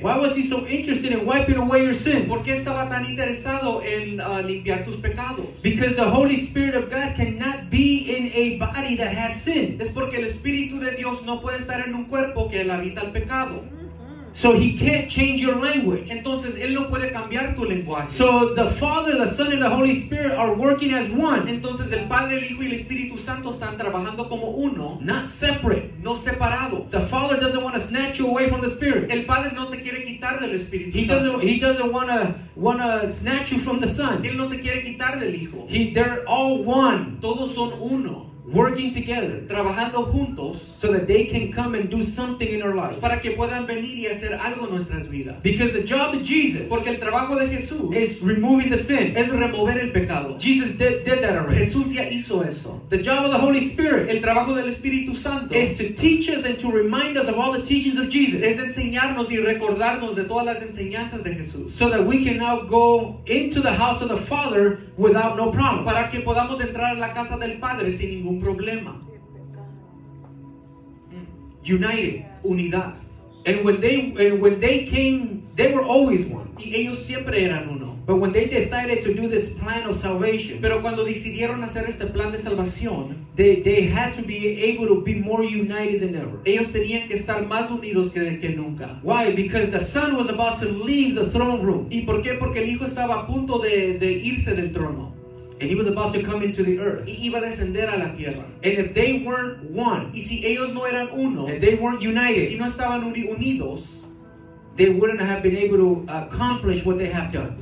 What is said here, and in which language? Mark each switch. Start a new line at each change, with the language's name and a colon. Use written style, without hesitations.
English: Why was He so interested in wiping away your sins?
Spanish: ¿Por qué estaba tan interesado en limpiar tus pecados?
English: Because the Holy Spirit of God cannot be in a body that has sin.
Spanish: Es porque el Espíritu de Dios no puede estar en un cuerpo que habita el pecado.
English: So he can't change your language.
Spanish: Entonces, él no puede cambiar tu lenguaje.
English: So the Father, the Son, and the Holy Spirit are working as one.
Spanish: Entonces, el Padre, el Hijo, y el Espíritu Santo están trabajando como uno.
English: Not separate.
Spanish: No separado.
English: The Father doesn't want to snatch you away from the Spirit.
Spanish: El Padre no te quiere quitar del Espíritu Santo.
English: He doesn't want to snatch you from the Son.
Spanish: Él no te quiere quitar del Hijo.
English: They're all one.
Spanish: Todos son uno.
English: Working together,
Spanish: trabajando juntos,
English: so that they can come and do something in our lives,
Spanish: para que puedan venir y hacer algo en nuestras vidas.
English: Because the job of Jesus,
Spanish: porque el trabajo de Jesús,
English: is removing the sin,
Spanish: es remover el pecado.
English: Jesus did that already.
Spanish: Jesús ya hizo eso.
English: The job of the Holy Spirit,
Spanish: el trabajo del Espíritu Santo,
English: is to teach us and to remind us of all the teachings of Jesus,
Spanish: es enseñarnos y recordarnos de todas las enseñanzas de Jesús,
English: so that we can now go into the house of the Father without no problem,
Spanish: para que podamos entrar a la casa del Padre sin ningún problema.
English: United,
Spanish: unidad.
English: And when they came, they were always one.
Spanish: Y ellos siempre eran uno.
English: But when they decided to do this plan of salvation,
Spanish: pero cuando decidieron hacer este plan de salvación,
English: they had to be able to be more united than ever.
Spanish: Ellos tenían que estar más unidos que nunca.
English: Why? Because the Son was about to leave the throne room.
Spanish: ¿Y por qué? Porque el Hijo estaba a punto de irse del trono.
English: And he was about to come into the earth.
Spanish: Y iba a descender a la tierra.
English: And if they weren't one,
Spanish: y si ellos no eran uno,
English: and they weren't united,
Spanish: si no estaban unidos,
English: they wouldn't have been able to accomplish what they have done.